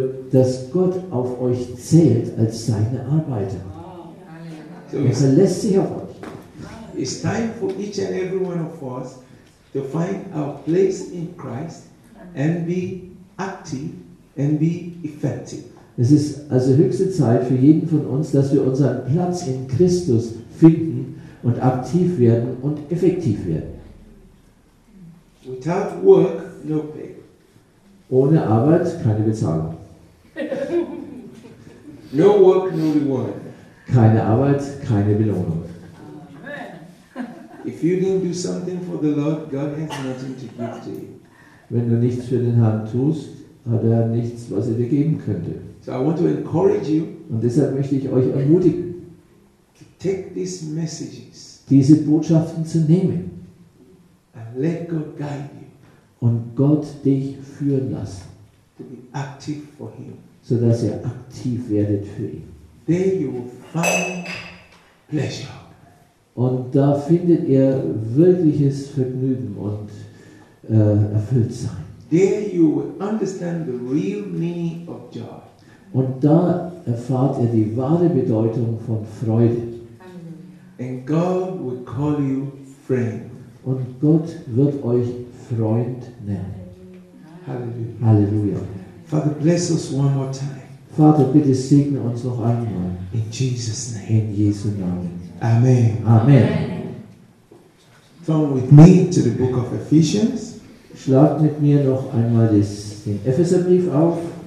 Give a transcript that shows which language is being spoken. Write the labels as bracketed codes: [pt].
[de] Dass Gott auf euch zählt als seine Arbeiter. Er verlässt sich auf euch. [en] It's time for each and every one of us to find our place in Christ and be active and be effective. [de] Es ist also höchste Zeit für jeden von uns, dass wir unseren Platz in Christus finden und aktiv werden und effektiv werden. [en] Without work, no pay. [de] Ohne Arbeit keine Bezahlung. [en] No work, no reward. [de] Keine Arbeit, keine Belohnung. [en] If you didn't do something for the Lord, God has nothing to give to you. [de] Wenn du nichts für den Herrn tust, hat er nichts, was er dir geben könnte. [en] So I want to encourage you. [de] Und deshalb möchte ich euch ermutigen, [en] to take these messages, [de] diese Botschaften zu nehmen. [en] And let God guide you. [de] Und Gott dich führen lassen. [en] To be active for him. [de] So dass ihr aktiv werdet für ihn. [en] There you will find pleasure. [de] Und da findet ihr wirkliches Vergnügen und erfüllt sein. [en] There you will understand the real meaning of joy. [de] Und da erfahrt ihr die wahre Bedeutung von Freude. [en] And God will call you friend. [de] Und Gott wird euch Freund nennen. [en] Halleluja. [de] Halleluja. [en] Father, bless us one more time. [de] Vater, bitte segne uns noch einmal. [en] In Jesus' name. [de] In Jesu Namen. [en] Amen. [de] Amen. [en] Turn with me to the book of Ephesians. [de] Schlagt mit mir noch einmal den Epheserbrief auf.